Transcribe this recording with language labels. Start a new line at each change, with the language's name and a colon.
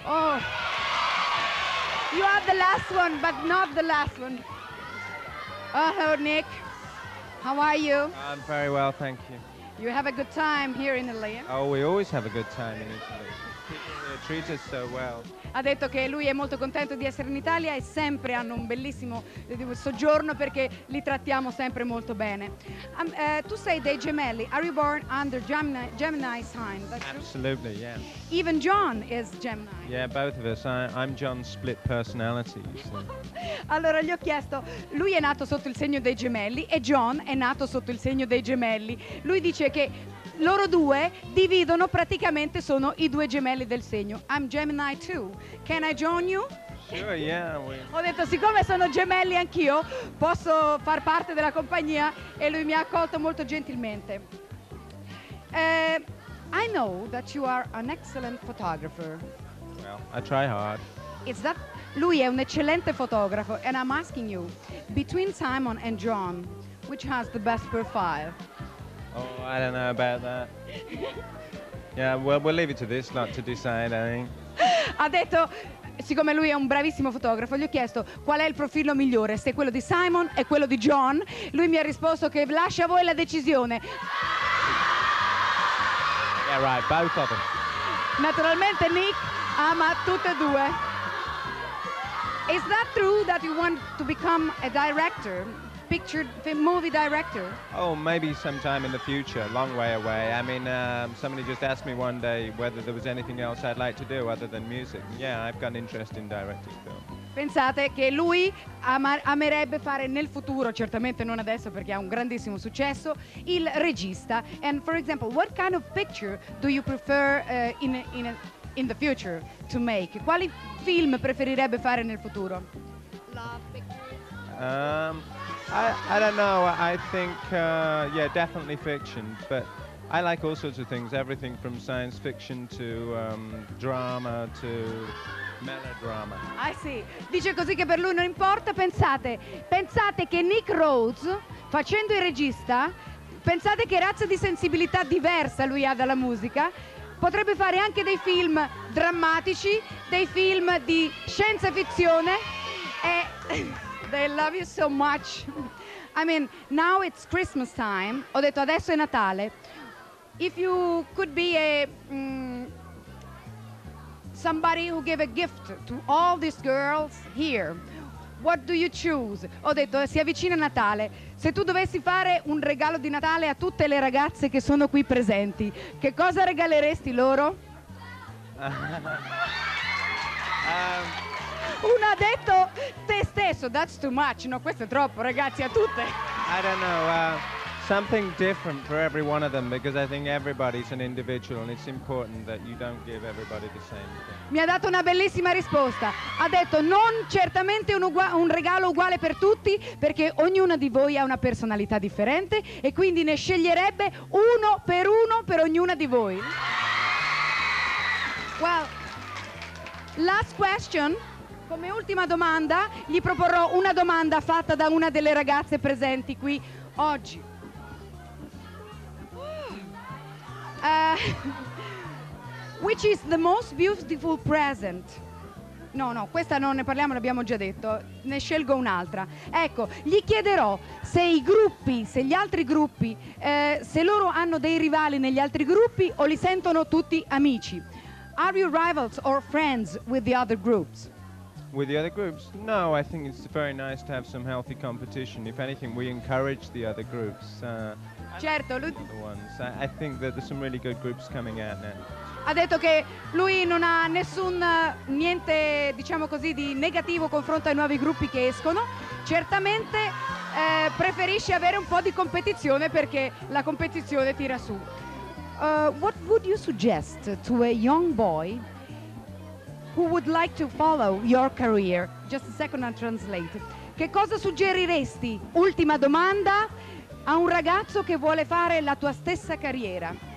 English: You are the last one, but not the last one. Oh, Nick, how are you? I'm very well, thank you. You have a good time here in Italy? Oh, we always have a good time in Italy. Treat us so well.
Italian: Ha detto che lui è molto contento di essere in Italia e sempre hanno un bellissimo soggiorno perché li trattiamo sempre molto bene. Tu sei dei gemelli.
English: Are you born under Gemini sign? Absolutely, yes. Yeah. Even John is Gemini. Yeah, both of us. I'm John's split personality. So.
Italian: Allora gli ho chiesto, lui è nato sotto il segno dei gemelli e John è nato sotto il segno dei gemelli. Lui dice che loro due dividono praticamente, sono i due gemelli del segno.
English: I'm Gemini too. Can I join you? Sure, yeah. We...
Italian: Ho detto, siccome sono gemelli anch'io, posso far parte della compagnia e lui mi ha accolto molto gentilmente.
English: I know that you are an excellent photographer. Well, I try hard. Is that...
Italian: Lui è un eccellente fotografo
English: and I'm asking you, between Simon and John, which has the best profile? Oh, I don't know about that. Yeah, well, we'll leave it to this lot to decide, I think.
Italian: Ha detto, siccome lui è un bravissimo fotografo, gli ho chiesto qual è il profilo migliore, se quello di Simon e quello di John. Lui mi ha risposto che lascia a voi la decisione.
English: Yeah, right, both of them.
Italian: Naturalmente Nick ama tutte e due.
English: Is that true that you want to become a director? Picture the movie director? Oh, maybe sometime in the future, long way away. I mean, somebody just asked me one day whether there was anything else I'd like to do other than music. Yeah, I've got an interest in directing film.
Italian: Pensate che lui amerebbe fare nel futuro, certamente non adesso perché ha un grandissimo successo, il regista.
English: And for example, what kind of picture do you prefer in the future to make?
Italian: Quali film preferirebbe fare nel futuro?
English: Love pictures. I don't know. I think, yeah, definitely fiction. But I like all sorts of things. Everything from science fiction to drama to melodrama. I see.
Italian: Dice così che per lui non importa. Pensate, pensate che Nick Rhodes, facendo il regista, pensate che razza di sensibilità diversa lui ha dalla musica, potrebbe fare anche dei film drammatici, dei film di scienza fizione e...
English: They love you so much. I mean, now it's Christmas time.
Italian: Ho detto adesso è Natale.
English: If you could be a somebody who gave a gift to all these girls here, what do you choose?
Italian: Ho detto si avvicina Natale. Se tu dovessi fare un regalo di Natale a tutte le ragazze che sono qui presenti, che cosa regaleresti loro? Uno ha detto te stesso,
English: that's too much,
Italian: no, questo è troppo, ragazzi, a tutte.
English: I don't know, something different for every one of them, because I think everybody's an individual and it's important that you don't give everybody the same thing.
Italian: Mi ha dato una bellissima risposta, ha detto non certamente un regalo uguale per tutti, perché ognuna di voi ha una personalità differente e quindi ne sceglierebbe uno per ognuna di voi.
English: Well, last question.
Italian: Come ultima domanda, gli proporrò una domanda fatta da una delle ragazze presenti qui oggi.
English: Which is the most beautiful present?
Italian: No, no, questa non ne parliamo, l'abbiamo già detto. Ne scelgo un'altra. Ecco, gli chiederò se i gruppi, se gli altri gruppi, se loro hanno dei rivali negli altri gruppi o li sentono tutti amici.
English: Are you rivals or friends with the other groups? With the other groups? No, I think it's very nice to have some healthy competition. If anything, we encourage the other groups.
Italian: Certo, lui...
English: The ones. I think that there's some really good groups coming out now.
Italian: Ha detto che lui non ha nessun niente, diciamo così, di negativo confronto ai nuovi gruppi che escono. Certamente preferisce avere un po' di competizione perché la competizione tira su.
English: What would you suggest to a young boy who would like to follow your career? Just a second and translate.
Italian: Che cosa suggeriresti, ultima domanda, a un ragazzo che vuole fare la tua stessa carriera?